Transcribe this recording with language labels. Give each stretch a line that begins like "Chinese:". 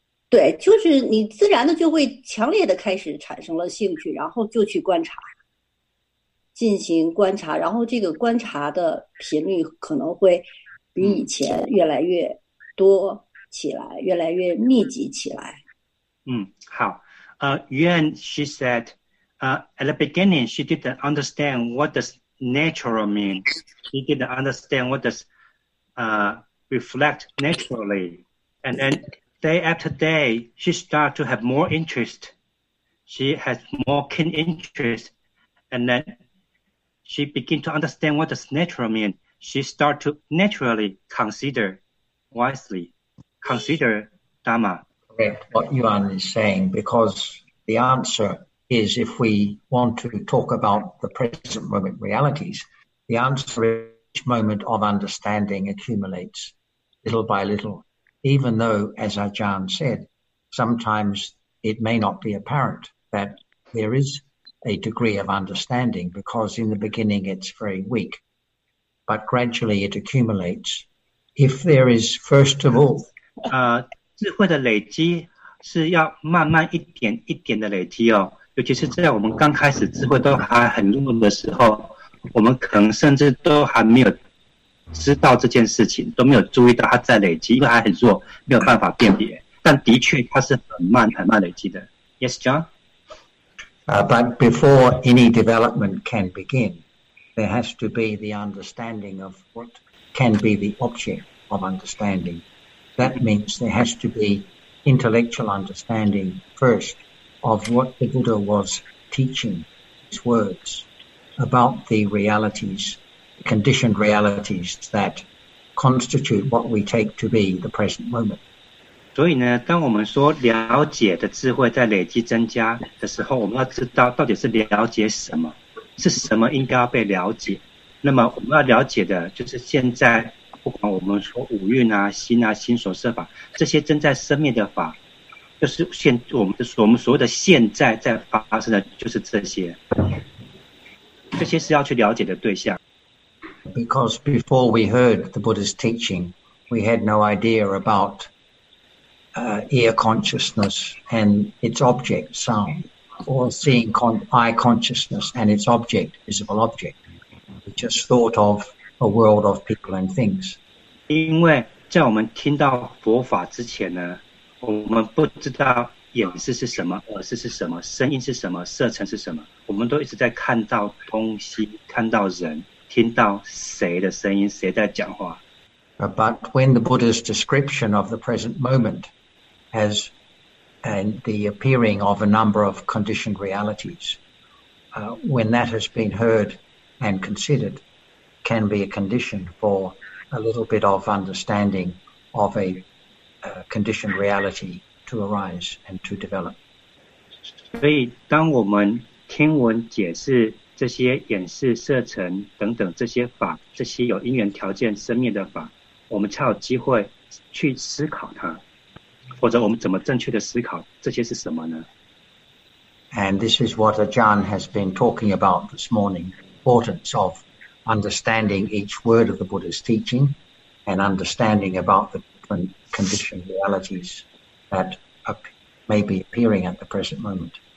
Chinese: 对，就是你自然的就会强烈的开始产生了兴趣，然后就去观察，进行观察，然后这个观察的频率可能会比以前越来越多起来，越来越密集起来。嗯，好。
English: Yuan, she said, at the beginning, she didn't understand what does natural mean. She didn't understand what does reflect naturally. And then day after day, she started to have more interest. She has more keen interest. And then she began to understand what does natural mean. She started to naturally consider wisely, consider Dhamma. Correct what Yuan is saying, because the answer is, if we want to talk about the present moment realities, the answer is each moment of understanding accumulates little by little. Even though, as Ajahn said, sometimes it may not be apparent that there is a degree of understanding because in the beginning it's very weak, but gradually it accumulates. If there is, first of all...
Chinese: 智慧的累积是要慢慢一点一点的累积哦，尤其是在我们刚开始智慧都还很弱的时候，我们可能甚至都还没有知道这件事情，都没有注意到它在累积，因为还很弱，没有办法辨别。但的确，它是很慢、很慢累积的。
English: Yes, John. But before any development can begin, there has to be the understanding of what can be the object of understanding. That means there has to be intellectual understanding first of what the Buddha was teaching, his words about the realities. Conditioned realities that constitute what we take to be the present moment.
Chinese: 所以呢，当我们说了解的智慧在累积增加的时候，我们要知道到底是了解什么，是什么应该要被了解。那么我们要了解的就是现在，不管我们说五蕴啊、心啊、心所设法这些正在生灭的法，就是现我们所谓的现在在发生的就是这些是要去了解的对象。
English: Because before we heard the Buddha's teaching, we had no idea about ear consciousness and its object, sound. all-seeing eye consciousness and its object, visible object. We just thought of a world of people and things.
Chinese: 因为在我们听到佛法之前呢，我们不知道眼识是什么，耳识是什么，声音是什么，色尘是什么，我们都一直在看到东西，看到人，听到谁的声音，谁在讲话。
English: But when the Buddha's description of the present moment has and the appearing of a number of conditioned realities, when that has been heard and considered, can be a condition for a little bit of understanding of a conditioned reality to arise and to develop.
Chinese: 所以当我们听闻解释这些眼识色尘等等这些法，这些有因缘条件生灭的法，我们才有机会去思考它，或者我们怎么正确的思考这些是什么呢？
English: And this is what Ajahn has been talking about this morning, importance of understanding each word of the Buddha's teaching and understanding about the different conditioned realities that may be appearing at the present moment.